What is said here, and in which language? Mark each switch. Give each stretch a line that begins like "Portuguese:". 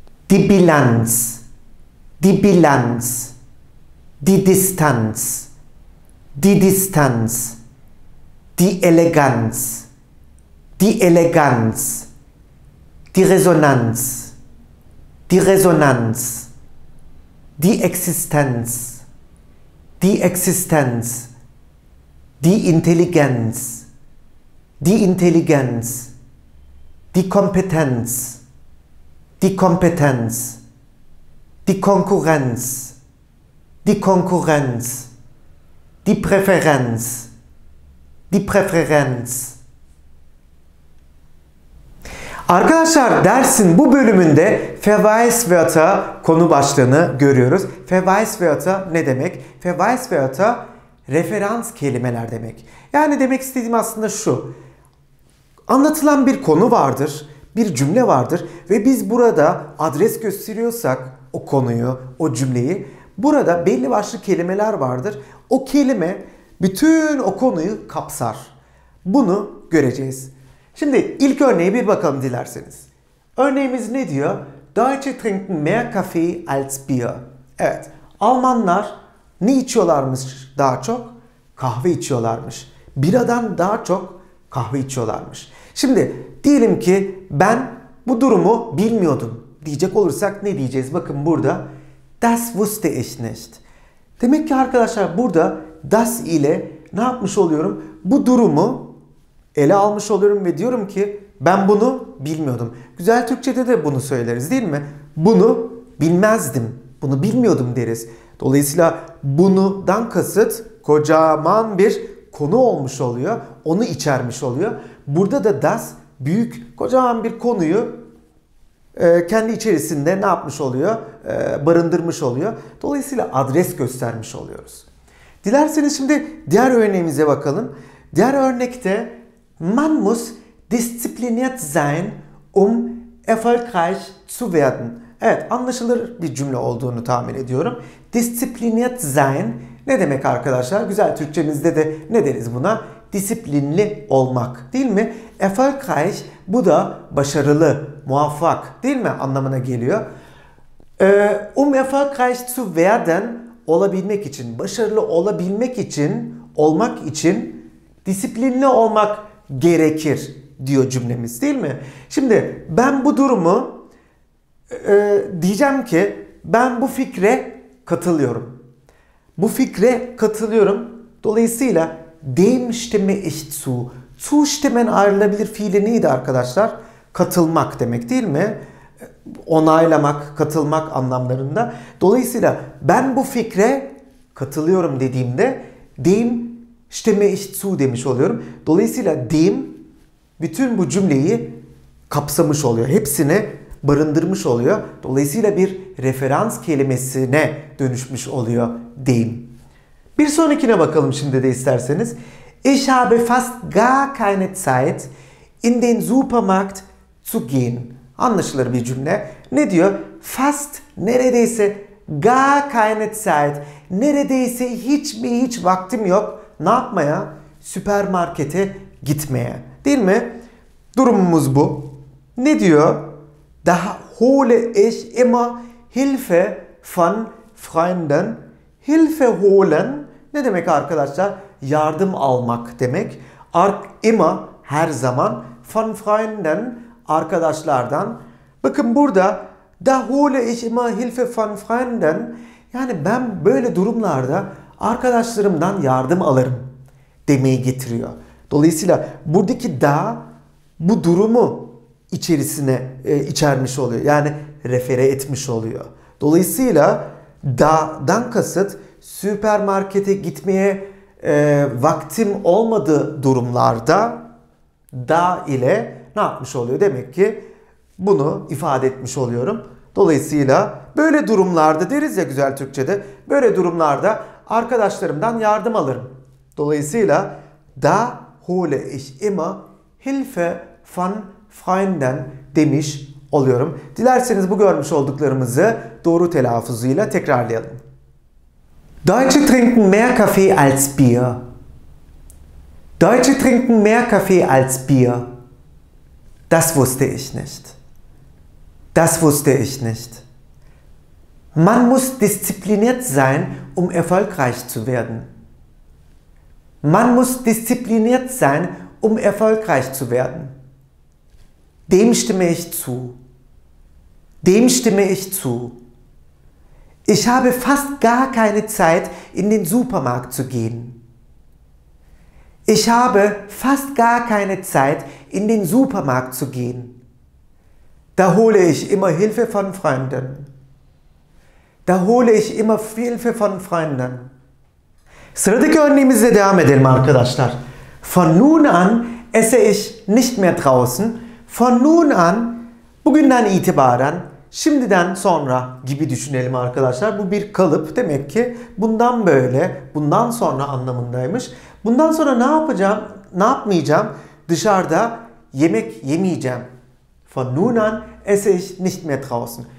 German: Die Bilanz, die Bilanz, die Distanz, die Distanz, die Eleganz, die Eleganz, die Resonanz, die Resonanz, die Existenz, die Existenz, die Intelligenz, die Intelligenz, die Kompetenz. Die Kompetenz, die Konkurrenz, die Konkurrenz, die Präferenz, die Präferenz.
Turkish: Arkadaşlar dersin bu bölümünde Verweiswörter konu başlığını görüyoruz. Verweiswörter ne demek? Verweiswörter referans kelimeler demek. Yani demek istediğim aslında şu. Anlatılan bir konu vardır. Bir cümle vardır ve biz burada adres gösteriyorsak o konuyu, o cümleyi burada belli başlı kelimeler vardır. O kelime bütün o konuyu kapsar. Bunu göreceğiz. Şimdi ilk örneğe bir bakalım dilerseniz. Örneğimiz ne diyor?
German: Deutsche trinken mehr Kaffee als Bier.
Turkish: Evet. Almanlar ne içiyorlarmış daha çok? Kahve içiyorlarmış. Biradan daha çok kahve içiyorlarmış. Şimdi diyelim ki ben bu durumu bilmiyordum diyecek olursak ne diyeceğiz? Bakın burada
German: das wusste ich nicht.
Turkish: Demek ki arkadaşlar burada das ile ne yapmış oluyorum? Bu durumu ele almış oluyorum ve diyorum ki Ben bunu bilmiyordum. Güzel Türkçe'de de bunu söyleriz değil mi? Bunu bilmezdim. Bunu bilmiyordum deriz. Dolayısıyla bunudan kasıt kocaman bir konu olmuş oluyor. Onu içermiş oluyor. Burada da das büyük kocaman bir konuyu kendi içerisinde ne yapmış oluyor? Barındırmış oluyor. Dolayısıyla adres göstermiş oluyoruz. Dilerseniz şimdi diğer örneğimize bakalım. Diğer örnekte
German: man muss diszipliniert sein erfolgreich zu werden.
Turkish: Evet, anlaşılır bir cümle olduğunu tahmin ediyorum.
German: Diszipliniert sein
Turkish: ne demek arkadaşlar? Güzel Türkçemizde de ne deriz buna? Disiplinli olmak değil mi? Erfolgreich bu da başarılı, muvaffak değil mi anlamına geliyor.
German: Erfolgreich zu werden
Turkish: olabilmek için, başarılı olabilmek için, olmak için disiplinli olmak gerekir diyor cümlemiz değil mi? Şimdi ben bu durumu diyeceğim ki ben bu fikre katılıyorum. Bu fikre katılıyorum. Dolayısıyla
German: dem stimme ich zu. Zu stimmen
Turkish: ayrılabilir fiili neydi arkadaşlar? Katılmak demek değil mi? Onaylamak, katılmak anlamlarında. Dolayısıyla ben bu fikre katılıyorum dediğimde
German: dem stimme ich zu
Turkish: demiş oluyorum. Dolayısıyla dem bütün bu cümleyi kapsamış oluyor. Hepsini barındırmış oluyor. Dolayısıyla bir referans kelimesine dönüşmüş oluyor dem. Bir sonrakine bakalım şimdi de isterseniz.
German: Ich habe fast gar keine Zeit in den Supermarkt zu gehen.
Turkish: Anlaşılır bir cümle. Ne diyor?
German: Fast
Turkish: neredeyse,
German: gar keine Zeit.
Turkish: Neredeyse hiç mi hiç vaktim yok. Ne yapmaya? Süpermarkete gitmeye. Değil mi? Durumumuz bu. Ne diyor?
German: Da hole ich immer Hilfe von Freunden.
Turkish: Hilfe holen ne demek arkadaşlar? Yardım almak demek.
German: Immer
Turkish: her zaman
German: von Freunden
Turkish: arkadaşlardan. Bakın burada
German: da hole ich immer Hilfe von Freunden.
Turkish: Yani ben böyle durumlarda arkadaşlarımdan yardım alırım demeyi getiriyor. Dolayısıyla buradaki da bu durumu içerisine içermiş oluyor. Yani refere etmiş oluyor. Dolayısıyla da'dan kasıt süpermarkete gitmeye vaktim olmadığı durumlarda da ile ne yapmış oluyor? Demek ki bunu ifade etmiş oluyorum. Dolayısıyla böyle durumlarda deriz ya güzel Türkçe'de böyle durumlarda arkadaşlarımdan yardım alırım. Dolayısıyla
German: da hole ich immer Hilfe von Freunden
Turkish: demiş oluyorum. Dilerseniz bu görmüş olduklarımızı doğru telaffuzuyla tekrarlayalım.
German: Deutsche trinken mehr Kaffee als Bier. Deutsche trinken mehr Kaffee als Bier. Das wusste ich nicht. Das wusste ich nicht. Man muss diszipliniert sein, um erfolgreich zu werden. Man muss diszipliniert sein, um erfolgreich zu werden. Dem stimme ich zu. Dem stimme ich zu. Ich habe fast gar keine Zeit, in den Supermarkt zu gehen. Ich habe fast gar keine Zeit, in den Supermarkt zu gehen. Da hole ich immer Hilfe von Freunden. Da hole ich immer Hilfe von Freunden.
Turkish: Sıradaki örneğimizle devam edelim arkadaşlar.
German: Von nun an esse ich nicht mehr draußen. Von nun an,
Turkish: bugünden itibaren, şimdiden sonra gibi düşünelim arkadaşlar. Bu bir kalıp. Demek ki bundan böyle, bundan sonra anlamındaymış. Bundan sonra ne yapacağım, ne yapmayacağım? Dışarıda yemek yemeyeceğim.
German: Von nun an esse ich nicht mehr draußen.